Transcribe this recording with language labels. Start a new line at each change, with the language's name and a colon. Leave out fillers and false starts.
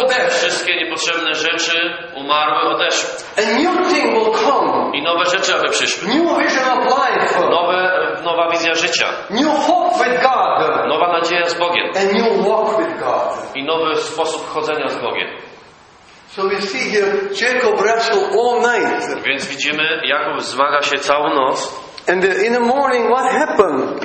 Polish: Wszystkie niepotrzebne rzeczy umarły, odeszły.
English: A new thing will come.
Polish: I nowe rzeczy aby przyszły.
English: New vision of life.
Polish: Nowa wizja życia.
English: New hope with God.
Polish: Nowa nadzieja z Bogiem.
English: A new walk with God.
Polish: I nowy sposób chodzenia z Bogiem.
English: So we see here Jacob wrestled all night.
Polish: Więc widzimy, Jakub zmaga się całą noc.
English: And in the morning, what happened?